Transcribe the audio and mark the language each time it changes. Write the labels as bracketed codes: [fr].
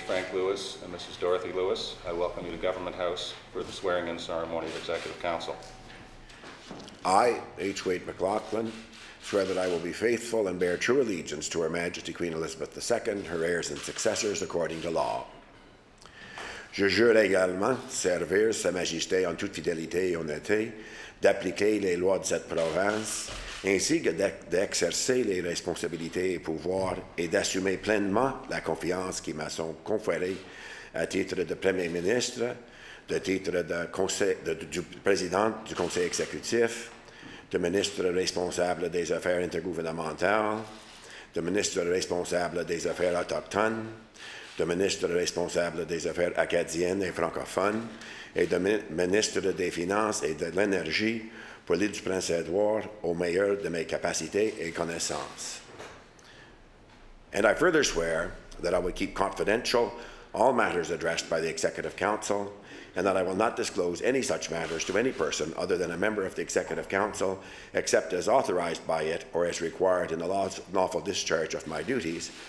[en] Frank Lewis and Mrs. Dorothy Lewis, I welcome you to Government House for the swearing-in ceremony of Executive Council. I, H. Wade MacLauchlan, swear that I will be faithful and bear true allegiance to Her Majesty Queen Elizabeth II, her heirs and successors according to law. [fr] Je jure également servir Sa Majesté en toute fidélité et honnêteté, d'appliquer les lois de cette province, ainsi que d'exercer les responsabilités et pouvoirs et d'assumer pleinement la confiance qui m'a sont conférées à titre de Premier ministre, de titre de président du Conseil exécutif, de ministre responsable des affaires intergouvernementales, de ministre responsable des affaires autochtones, de ministre responsable des affaires acadiennes et francophones, et de ministre des Finances et de l'Énergie pour l'île du Prince-Édouard au meilleur de mes capacités et connaissances. [en] And I further swear that I will keep confidential all matters addressed by the Executive Council, and that I will not disclose any such matters to any person other than a member of the Executive Council, except as authorized by it or as required in the lawful discharge of my duties.